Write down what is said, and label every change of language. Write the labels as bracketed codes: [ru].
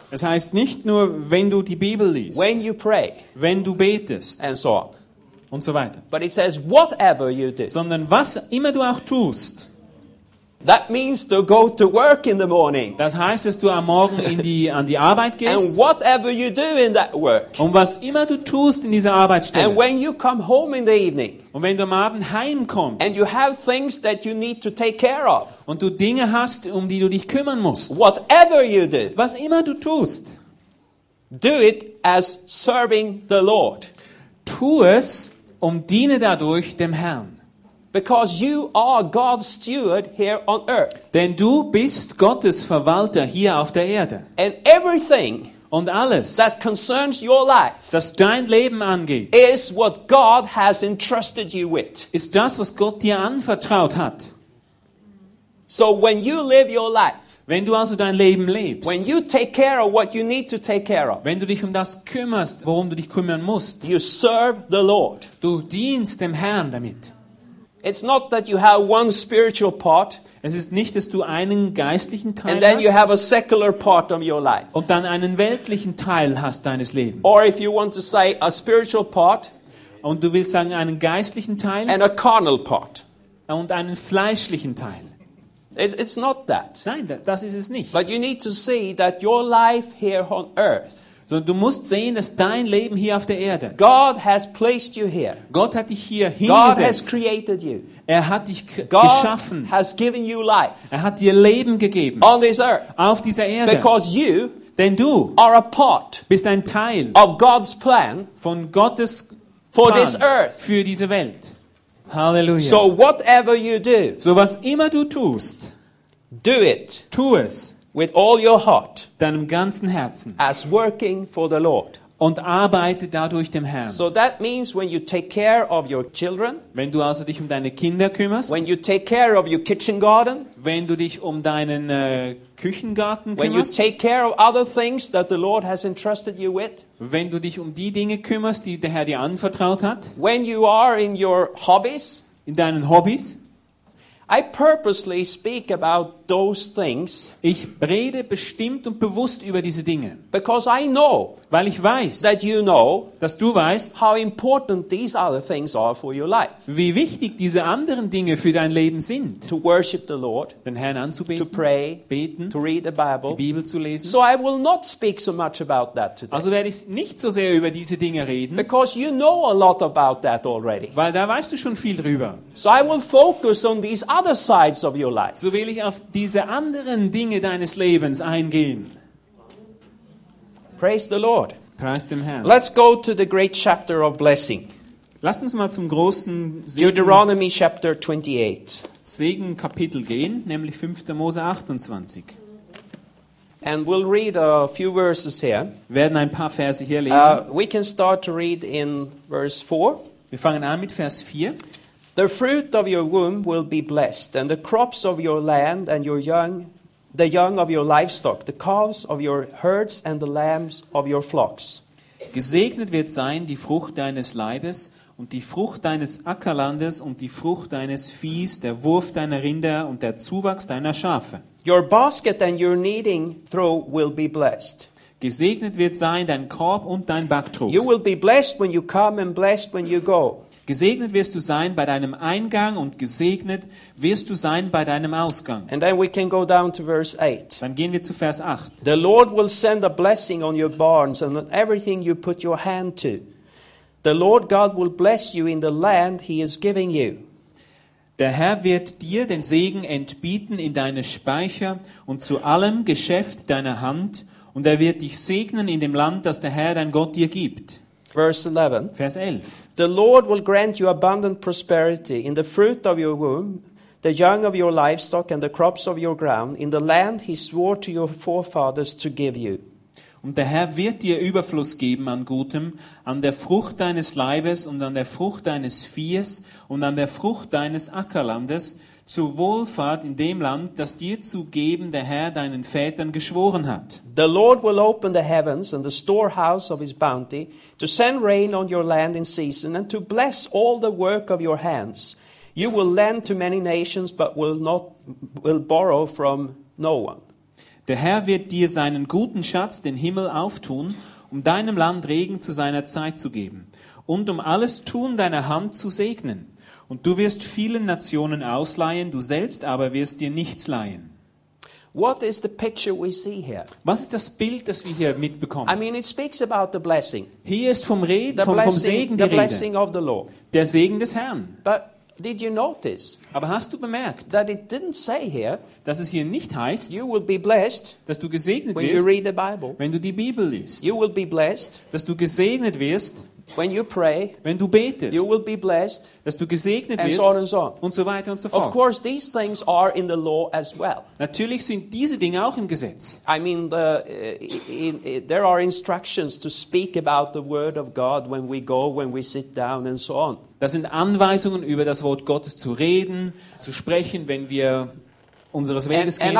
[de] Es heißt nicht nur, wenn du die Bibel liest. [en] When you pray. [de] Wenn du betest. [en] And so on. [de] Und so weiter. [en] But it says whatever you do. [de] Sondern was immer du auch tust. [en] That means to go to work in the morning. [de] Das heißt, dass du am Morgen in die an die Arbeit gehst. [en] And whatever you do in that work. [de] Und was immer du tust in dieser Arbeitsstelle. [en] And when you come home in the evening. [de] Und wenn du am Abend heimkommst. [en] And you have things that you need to take care of. [de] Und du Dinge hast, um die du dich kümmern musst. [en] Whatever you do. [de] Was immer du tust. [en] Do it as serving the Lord. [de] Tu es und diene dadurch dem Herrn. [en] Because you are God's steward here on earth. [de] Denn du bist Gottes Verwalter hier auf der Erde. [en] And everything [de] und alles, [en] that concerns your life, [de] das dein Leben angeht, [en] is what God has entrusted you with. [de] Ist das, was Gott dir anvertraut hat. [en] So when you live your life, [de] wenn du also dein Leben lebst, [en] when you take care of what you need to take care of, [de] wenn du dich um das kümmerst, worum du dich kümmern musst, [en] you serve the Lord. [de] Du dienst dem Herrn damit. [en] It's not that you have one spiritual part. [de] Es ist nicht, dass du einen geistlichen Teil [en] and then [de] hast, [en] you have a secular part of your life. [de] Und dann einen weltlichen Teil hast deines Lebens. [en] Or if you want to say a spiritual part, [de] und du willst sagen einen geistlichen Teil, [en] and a carnal part, [de] und einen fleischlichen Teil. [en] It's not that. [de] Nein, das ist es nicht. [en] But you need to see that your life here on earth. [de] So, du musst sehen, dass dein Leben hier auf der Erde. [en] God has placed you here. [de] Gott hat dich hier hingesetzt. [en] God has created you. [de] Er hat dich [en] God [de] geschaffen. [en] Has given you life. [de] Er hat dir Leben gegeben. [en] On this earth. [de] Auf dieser Erde. [en] Because you, [de] denn du, [en] are a part, [de] bist ein Teil [en] of God's plan, [de] von Gottes [en] for [de] Plan [en] this earth. [de] Für diese Welt. Halleluja. [en] So whatever you do, [de] so was immer du tust, [en] do it. [de] Tu es. [en] With all your heart, [de] deinem ganzen Herzen, [en] as working for the Lord, [de] und arbeite dadurch dem Herrn. [en] So that means when you take care of your children, [de] wenn du also dich um deine Kinder kümmerst, [en] when you take care of your kitchen garden, [de] wenn du dich um deinen Küchengarten kümmerst, [en] when you take care of other things that the Lord has entrusted you with, [de] wenn du dich um die Dinge kümmerst, die der Herr dir anvertraut hat, [en] when you are in your hobbies, [de] in deinen Hobbys. [en] I purposely speak about those things. [de] Ich rede bestimmt und bewusst über diese Dinge. [en] Because I know, [de] weil ich weiß, [en] that you know, [de] dass du weißt, [en] how important these other things are for your life. [de] Wie wichtig diese anderen Dinge für dein Leben sind. [en] To worship the Lord, [de] den Herrn anzubeten, [en] to pray, [de] beten, [en] to read the Bible, [de] die Bibel zu lesen. [en] So I will not speak so much about that today. [de] Also werde ich nicht so sehr über diese Dinge reden. [en] Because you know a lot about that already. [de] Weil da weißt du schon viel drüber. [en] So I will focus on these other sides of your life. [de] So will ich auf diese anderen Dinge deines Lebens eingehen. [en] Praise the Lord. [de] Preist dem Herrn. [en] Let's go to the great chapter of blessing. [de] Lass uns mal zum großen Segen, [en] Deuteronomy chapter 28. [de] Segen Kapitel gehen, nämlich 5. Mose 28. [en] And we'll read a few verses here. [de] Werden ein paar Verse hier lesen. [en] We can start to read in verse 4. [de] Wir fangen an mit Vers 4. [en] The fruit of your womb will be blessed, and the crops of your land and your young, the young of your livestock, the calves of your herds and the lambs of your flocks. [de] Gesegnet wird sein die Frucht deines Leibes und die Frucht deines Ackerlandes und die Frucht deines Viehs, der Wurf deiner Rinder und der Zuwachs deiner Schafe. [en] Your basket and your kneading trough will be blessed. [de] Gesegnet wird sein dein Korb und dein Backtrog. [en] You will be blessed when you come and blessed when you go. [de] Gesegnet wirst du sein bei deinem Eingang und gesegnet wirst du sein bei deinem Ausgang. [en] And then we can go down to verse 8. [de] Dann gehen wir zu Vers 8. [en] The Lord will send a blessing on your barns and on everything you put your hand to. The Lord God will bless you in the land he is giving you. [de] Der Herr wird dir den Segen entbieten in deine Speicher und zu allem Geschäft deiner Hand und er wird dich segnen in dem Land, das der Herr dein Gott dir gibt. [en] Verse 11. [de] Vers 11. [en] The Lord will grant you abundant prosperity in the fruit of your womb, the young of your livestock and the crops of your ground, in the land he swore to your forefathers to give you. [de] Und der Herr wird dir Überfluss geben an Gutem, an der Frucht deines Leibes und an der Frucht deines Viehes und an der Frucht deines Ackerlandes, zur Wohlfahrt in dem Land, das dir zu geben der Herr deinen Vätern geschworen hat. [en] The Lord will open the heavens and the storehouse of his bounty, to send rain on your land in season and to bless all the work of your hands. You will lend to many nations, but will borrow from no one. [de] Der Herr wird dir seinen guten Schatz, den Himmel, auftun, um deinem Land Regen zu seiner Zeit zu geben und um alles Tun deiner Hand zu segnen. Und du wirst vielen Nationen ausleihen, du selbst aber wirst dir nichts leihen. [en] What is the picture we see here? [de] Was ist das Bild, das wir hier mitbekommen? [en] I mean, it speaks about the blessing. [de] Hier ist vom Reden, vom Segen die [en] the blessing [de] Rede. [en] Of the Lord. [de] Der Segen des Herrn. [en] But did you notice? [de] Aber hast du bemerkt, [en] that it didn't say here, [de] dass es hier nicht heißt, [en] you will be blessed, [de] dass du gesegnet [en] when [de] wirst, [en] you read the Bible. [de] Wenn du die Bibel liest. [en] You will be blessed, [de] dass du gesegnet wirst, [en] when you pray, [de] wenn du betest, [en] you will be blessed, [de] dass du gesegnet wirst, [en] and so on and so on. [de] Und so weiter und so fort. [en] Of course, these things are in the law as well. [de] Natürlich sind diese Dinge auch im Gesetz. [en] I mean, there are instructions to speak about the word of God when we go, when we sit down, and so on. [de] Das sind Anweisungen über das Wort Gottes zu reden, zu sprechen, wenn wir unseres Weges gehen.